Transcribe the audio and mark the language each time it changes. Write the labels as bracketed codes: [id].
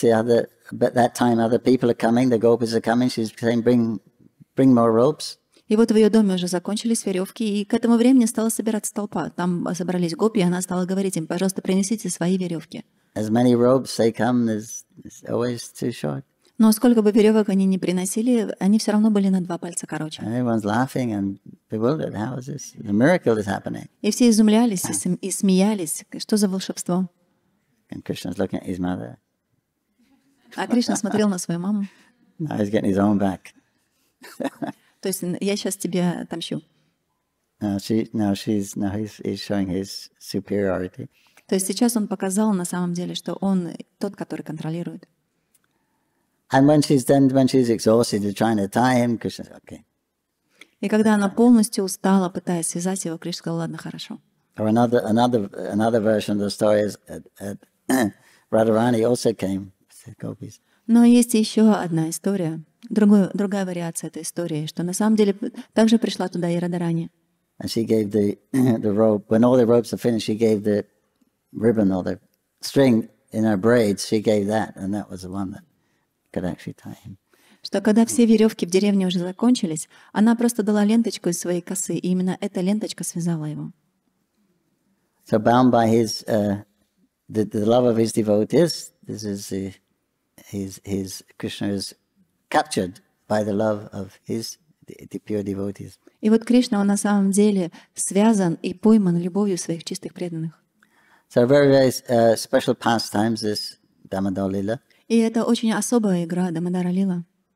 [en] The other, but that time other people are coming. The gopis are coming. She's saying, bring more ropes. [ru] И вот в ее доме уже закончились веревки, и к этому времени стала собираться толпа. Там собрались гопи, и она стала говорить им: пожалуйста, принесите свои веревки. [en] As many ropes they come, it's always too short. [ru] Но сколько бы веревок они ни приносили, они все равно были на два пальца короче. [en] Everyone's laughing and bewildered. How is this? The miracle is happening. [ru] И все изумлялись и смеялись. Что за волшебство? [en] And Krishna's looking at his mother. [ru] А Кришна смотрел на свою маму. [en] Now he's getting his own back. [ru] То есть я сейчас тебя отомщу. [en] He's showing his superiority. [ru] То есть сейчас он показал на самом деле, что он тот, который контролирует. [en] And when she's exhausted, trying to tie him, Krishna says, okay. [ru] И когда она полностью устала, пытаясь связать его, Кришна сказал: ладно, хорошо. [en] Or another version of the story is that Radharani also came with the gopis. [ru] Но есть еще одна история, другая вариация этой истории, что на самом деле также пришла туда и Радарани. [en] And she gave the rope. When all the ropes are finished, she gave the ribbon or the string in her braids. She gave that, and that was the one that could actually tie him. [ru] Что когда все веревки в деревне уже закончились, она просто дала ленточку из своей косы, и именно эта ленточка связала его. [en] So bound by his the love of his devotees, this is the His Krishna is captured by the love of his the pure devotees. [ru] И вот Кришна, он на самом деле связан и пойман любовью своих чистых преданных. [en] So very special pastimes this Damodara Lila. [ru] И это очень особая игра Дамодара Лила.